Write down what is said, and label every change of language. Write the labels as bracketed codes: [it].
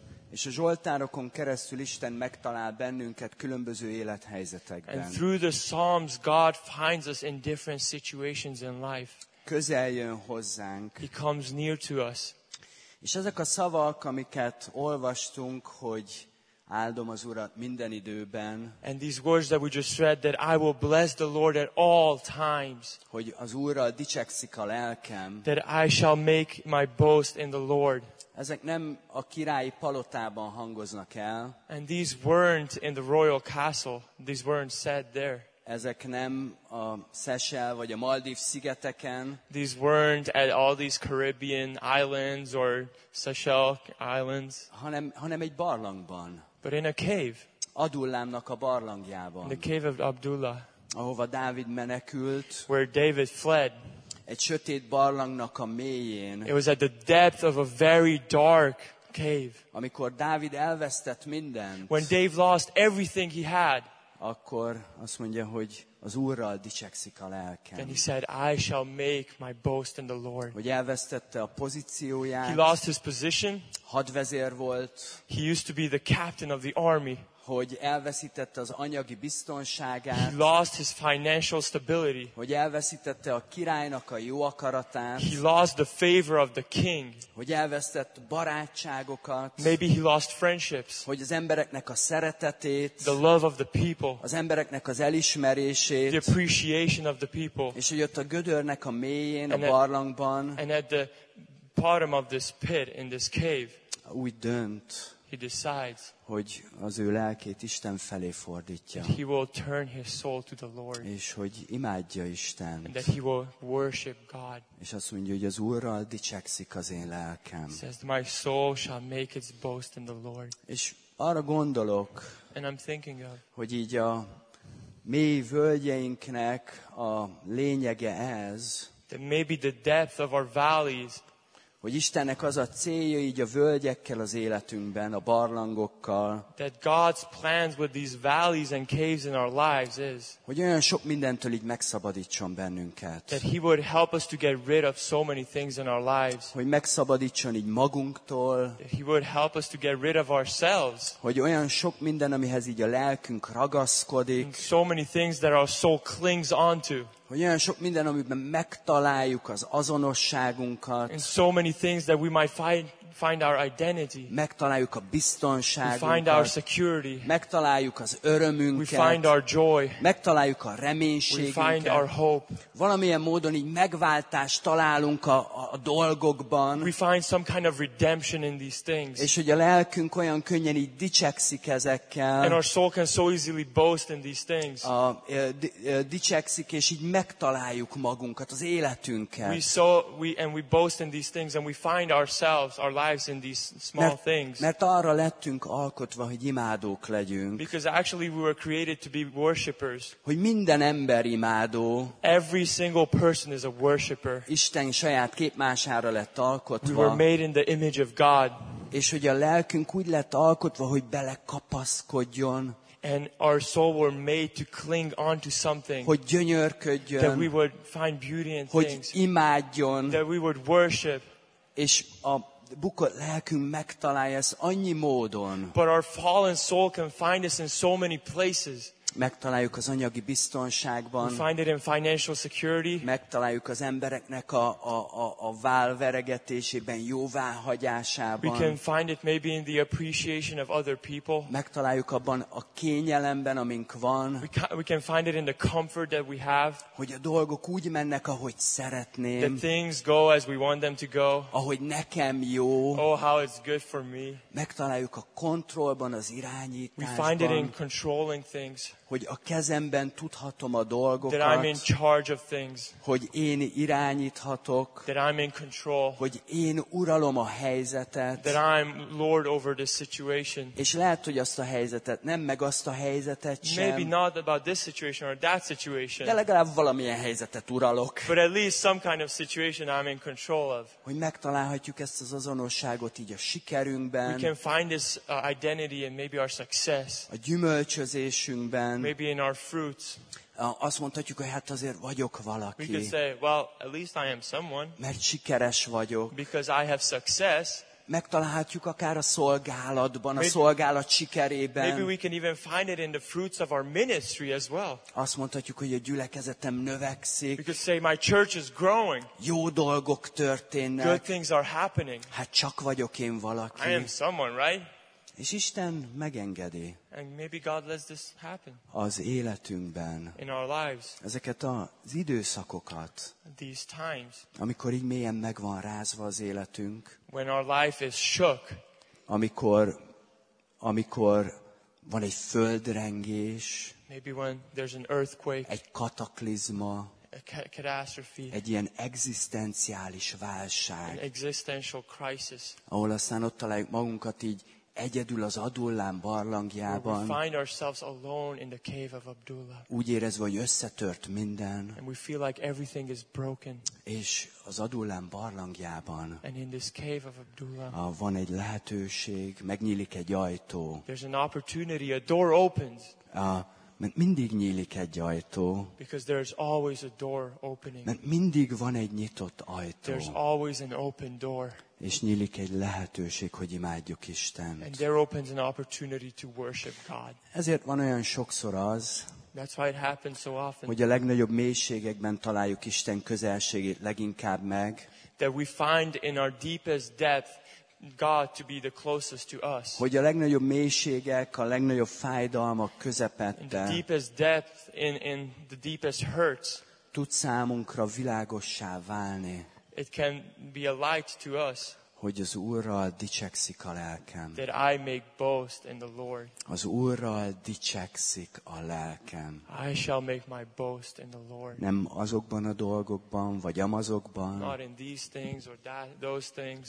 [hu] És a Zsoltárokon keresztül Isten megtalál bennünket különböző élethelyzetekben. [en] And through the Psalms, God finds us in different situations in life. [hu] Közel jön hozzánk. [en] He comes near to us. [hu] És ezek a szavak, amiket olvastunk, hogy áldom az Urat minden időben. [en] And these words that we just read, that I will bless the Lord at all times. [hu] Hogy az Úrral dicsekszik a lelkem. [en] That I shall make my boast in the Lord. [hu] Ezek nem a királyi palotában hangoznak el. [en] And these weren't in the royal castle. These weren't said there. [hu] Ezek nem a Seychelles vagy a Maldív szigeteken. [en] These weren't at all these Caribbean islands or Seychelles islands. [hu] Hanem egy barlangban. [en] But in a cave. [hu] Adullámnak a barlangjában. [en] In the cave of Abdullah. [hu] Ahova Dávid menekült. [en] Where David fled. [hu] Egy sötét barlangnak a mélyén. [en] It was at the depth of a very dark cave. [hu] Amikor Dávid elvesztett mindent. [en] When Dave lost everything he had. [hu] Akkor azt mondja, hogy az Úrral dicsekszik a lelkem. [en] And he said, I shall make my boast in the Lord. [hu] Hogy elvesztette a pozícióját. [en] He lost his position. [hu] Hadvezér volt. [en] He used to be the captain of the army. [hu] Hogy elveszítette az anyagi biztonságát. [en] He lost his financial stability. [hu] Hogy elveszítette a királynak a jó akaratát. [en] He lost the favor of the king. [hu] Hogy elvesztett barátságokat. [en] Maybe he lost friendships. [hu] Hogy az embereknek a szeretetét. [en] The love of the people. [hu] Az embereknek az elismerését. [en] The appreciation of the people. [hu] És hogy ott a gödörnek a mélyén, and a barlangban. [en] And at the bottom of this pit, in this cave. [hu] Úgy dönt. [en] He decides, [hu] hogy az ő lelkét Isten felé fordítja. [en] He will turn his soul to the Lord. [hu] És hogy imádja Istent. [en] And that he will worship God. [hu] És azt mondja, hogy az Úrral dicsekszik az én lelkem. [en] He says, my soul shall make its boast in the Lord. [hu] És arra gondolok, [en] and I'm thinking of, [hu] hogy így a mély völgyeinknek a lényege ez, [en] that maybe the depth of our valleys, [hu] hogy Istennek az a célja így a völgyekkel az életünkben, a barlangokkal. [en] That God's plans with these valleys and caves in our lives is. [hu] Hogy olyan sok mindentől így megszabadítson bennünket. [en] That he would help us to get rid of so many things in our lives. [hu] Hogy megszabadítson így magunktól. [en] That he would help us to get rid of ourselves. [hu] Hogy olyan sok minden, amihez így a lelkünk ragaszkodik. [en] And so many things that our soul clings onto. [hu] Hogy olyan sok minden, amiben megtaláljuk az azonosságunkat. [en] And so many things that we might find find our identity. [hu] Megtaláljuk a biztonságunkat. [en] We find our security. [hu] Megtaláljuk az örömünket. [en] We find our joy. [hu] Megtaláljuk a reménységünket. [en] We find our hope. [hu] Valamilyen módon így megváltást találunk a dolgokban. [en] We find some kind of redemption in these things. [hu] És hogy a lelkünk olyan könnyen így dicsekszik ezekkel. [en] And our soul can so easily boast in these things. [hu] Dicsekszik, és így megtaláljuk magunkat, az életünket. [en] We boast in these things and we find ourselves, our lives in these small things. [hu] Mert arra lettünk alkotva, hogy imádók legyünk. [en] Because actually we were created to be worshippers. [hu] Hogy minden ember imádó. [en] Every single person is a worshipper. [hu] Isten saját képmására lett alkotva. [en] We were made in the image of God. [hu] És hogy a lelkünk úgy lett alkotva, hogy belekapaszkodjon. [en] And our soul were made to cling on to something. [hu] Hogy gyönyörködjön. [en] That we would find beauty in [hu] hogy [en] things. [hu] Hogy imádjon. [en] That we would worship. [hu] És a bukott lelkünk megtalálja ezt annyi módon. [en] But our fallen soul can find us in so many places. [hu] Megtaláljuk az anyagi biztonságban. [en] We find it in financial security. [hu] Megtaláljuk az embereknek a válveregetésében, jóváhagyásában. [en] We can find it maybe in the appreciation of other people. [hu] Megtaláljuk abban a kényelemben, amink van. [en] We can find it in the comfort that we have. [hu] Hogy a dolgok úgy mennek, ahogy szeretném. [en] That things go as we want them to go. [hu] Ahogy nekem jó. [en] Oh, how it's good for me. [hu] Megtaláljuk a kontrollban, az irányításban. [en] We find it in controlling things. [hu] Hogy a kezemben tudhatom a dolgokat, [en] that I'm in charge of things, [hu] hogy én irányíthatok, [en] that I'm in control, [hu] hogy én uralom a helyzetet, [en] that I'm lord over this situation. [hu] És lehet, hogy azt a helyzetet nem, meg azt a helyzetet sem, [en] maybe not about this situation or that situation, [hu] de legalább valamilyen helyzetet uralok, [en] but at least some kind of situation I'm in control of. [hu] Hogy megtalálhatjuk ezt az azonosságot így a sikerünkben, [en] we can find this identity in maybe our success, [hu] a gyümölcsözésünkben. [en] Maybe in our fruits. [hu] Azt mondhatjuk, hogy hát azért vagyok valaki. [en] We could say, well, at least I am someone. [hu] Mert sikeres vagyok. [en] Because I have success. [hu] Megtalálhatjuk akár a szolgálatban, a szolgálat sikerében. [en] Maybe we can even find it in the fruits of our ministry as well. [hu] Azt mondhatjuk, hogy a gyülekezetem növekszik. [en] We could say my church is growing. [hu] Jó dolgok történnek. [en] Good things are happening. [hu] Hát csak vagyok én valaki. [en] I am someone, right? [hu] És Isten megengedi. [en] And maybe God lets this happen. [hu] Az életünkben. [en] In our lives. [hu] Ezeket az időszakokat. [en] These times. [hu] Amikor így mélyen meg van rázva az életünk. [en] When our life is shook. [hu] Amikor van egy földrengés. [en] Maybe when there's an earthquake. [hu] Egy kataklizma. [en] A catastrophe. [hu] Egy ilyen egzisztenciális válság. [en] An existential crisis. [hu] Ahol aztán ott találjuk magunkat így egyedül az Adullám barlangjában. [en] We find ourselves alone in the cave of Abdullah. [hu] Úgy érezve, hogy összetört minden. [en] And we feel like everything is broken. [hu] És az Adullám barlangjában. [en] And in this cave of Abdullah. [hu] Van egy lehetőség, megnyílik egy ajtó. [en] There's an opportunity, a door opens. [hu] Mert mindig nyílik egy ajtó. [en] Because there's always a door opening. [hu] Mert mindig van egy nyitott ajtó. [en] There's always an open door. [hu] És nyílik egy lehetőség, hogy imádjuk Istent. [en] And there opens an opportunity to worship God. [hu] Ezért van olyan sokszor az, [en] that's why it happens so often, [hu] hogy a legnagyobb mélységekben találjuk Isten közelségét leginkább meg, [en] that we find in our deepest depth God to be the closest to us. [hu] Hogy a legnagyobb mélységek, a legnagyobb fájdalmak közepette, [en] in the deepest depth, in the deepest hurts, [hu] tud számunkra világossá válni. [en] It can be a light to us. [hu] Hogy az Úrral dicsekszik a lelkem. [en] That I make boast in the Lord. [hu] Az Úrral dicsekszik a lelkem. [en] I shall make my boast in the Lord. [hu] Nem azokban a dolgokban, vagy amazokban. [en] Not in these things or that, those things.